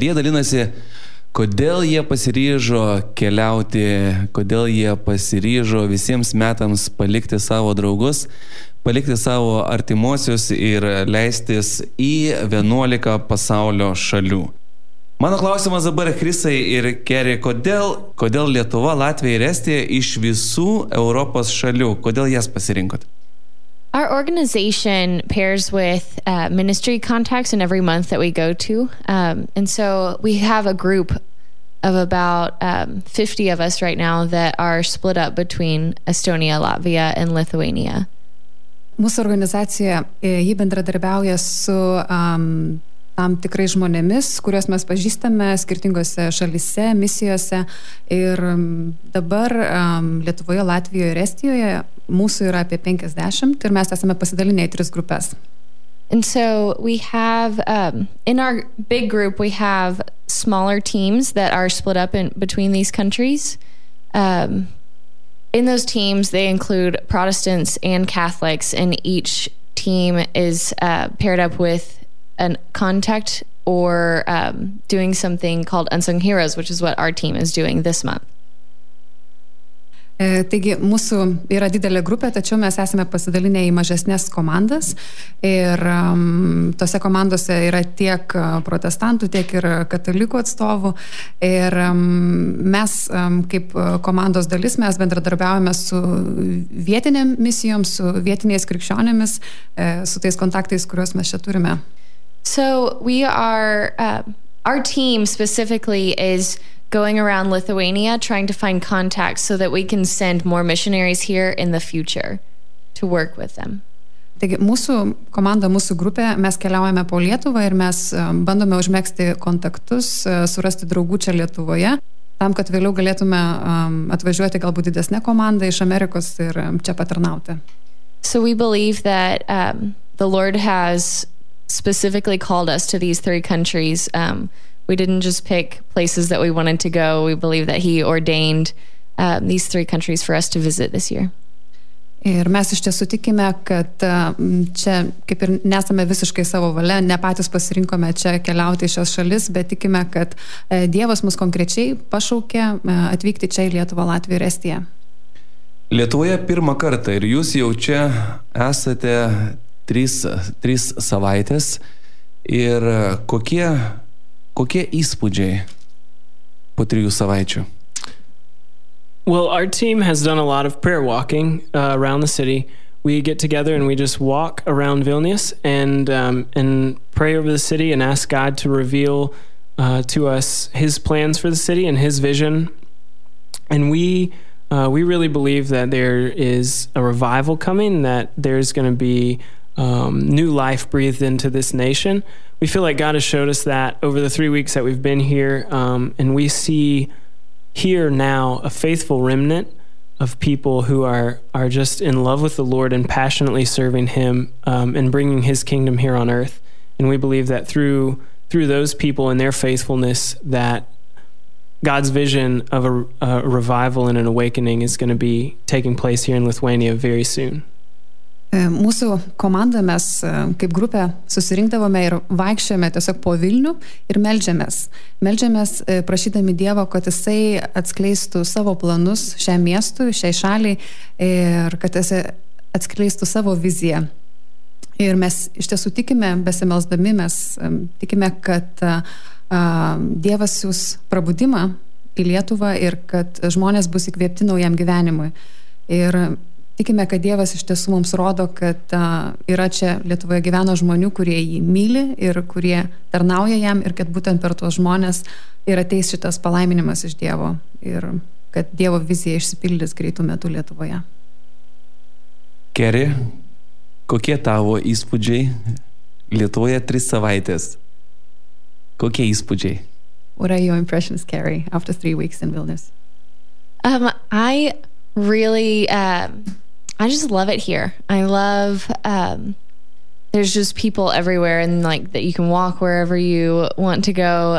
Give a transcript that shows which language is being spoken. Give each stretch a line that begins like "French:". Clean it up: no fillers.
Lithuanian: Jie dalinasi, kodėl jie pasiryžo keliauti, kodėl jie pasiryžo visiems metams palikti savo draugus, palikti savo artimuosius ir leistis į 11 pasaulio šalių. Mano klausimas dabar, Krisai ir Keri, kodėl Lietuva, Latvija ir Estija iš visų Europos šalių, kodėl jas pasirinkot?
English: Our organization pairs with ministry contacts in every month that we go to. And so we have a group of about 50 of us right now that are split up between Estonia, Latvia and Lithuania.
Lithuanian: Mūsų organizacija, ji bendradarbiauja su tam tikrai žmonėmis, kuriuos mes pažįstame skirtingose šalyse, misijose. Ir dabar Lietuvoje, Latvijoje ir Estijoje mūsų yra apie 50 ir mes esame pasidalinę į tris grupes.
English: And so we have, in our big group, we have smaller teams that are split up in between these countries. In those teams, they include Protestants and Catholics, and each team is paired up with a contact or doing something called Unsung Heroes, which is what our team is doing this month.
Lithuanian: Taigi, mūsų yra didelė grupė, tačiau mes esame pasidalinę į mažesnės komandas ir tose komandose yra tiek protestantų, tiek ir katalikų atstovų ir mes kaip komandos dalis, mes bendradarbiaujame su vietinėm misijom, su vietiniais krikščionėmis, su tais kontaktais, kuriuos mes čia turime.
English: So we are, our team specifically is going around Lithuania trying to find contacts so that we can send more missionaries here in the future to work with them.
Lithuanian: Taigi, mūsų komanda, mūsų grupė, mes keliaujame po Lietuvą ir mes bandome užmegzti kontaktus, surasti draugų čia Lietuvoje, tam, kad vėliau galėtume atvažiuoti galbūt didesnę komandą iš Amerikos ir čia patarnauti.
English: So we believe that the Lord has specifically called us to these three countries. We didn't just pick places that we wanted to go. We believe that he ordained these three countries for us to visit this year.
Lithuanian: Ir mes iš tiesų tikime, kad čia kaip ir nesame visiškai savo valia, ne patys pasirinkome čia keliauti į šios šalis, bet tikime, kad Dievas mus konkrečiai pašaukė atvykti čia į Lietuvą, Latviją ir Estiją. Lietuvoje pirmą kartą ir jūs jau čia esate trys savaitės ir kokie įspūdžiai po trijų savaičių?
English: Well, our team has done a lot of prayer walking around the city. We get together and we just walk around Vilnius and pray over the city and ask God to reveal to us his plans for the city and his vision. And we really believe that there is a revival coming, that there's going to be new life breathed into this nation. We feel like God has showed us that over the 3 weeks that we've been here, and we see here now a faithful remnant of people who are just in love with the Lord and passionately serving him and bringing his kingdom here on earth. And we believe that through those people and their faithfulness, that God's vision of a revival and an awakening is going to be taking place here in Lithuania very soon.
Lithuanian: Mūsų komanda, mes kaip grupė susirinkdavome ir vaikščiojame tiesiog po Vilnių ir meldžiamės. Meldžiamės prašydami Dievo, kad jisai atskleistų savo planus šiam miestui, šiai šaliai ir kad jisai atskleistų savo viziją. Ir mes iš tiesų tikime, besimelsdami, mes tikime, kad Dievas jūs prabudimą į Lietuvą ir kad žmonės bus įkvėpti naujam gyvenimui. Ir tikime, kad Dievas iš tiesų mums rodo, kad yra čia Lietuvoje gyveno žmonių, kurie jį myli ir kurie tarnauja jam ir kad būtent per tuos žmonės ir ateis šitas palaiminimas iš Dievo ir kad Dievo vizija išsipildys greitų metų Lietuvoje. Keri, kokie tavo įspūdžiai Lietuvoje 3 savaitės? Kokie įspūdžiai?
English: What are your impressions, Keri, after 3 weeks in Vilnius? I just love it here. I love there's just people everywhere, and like that you can walk wherever you want to go.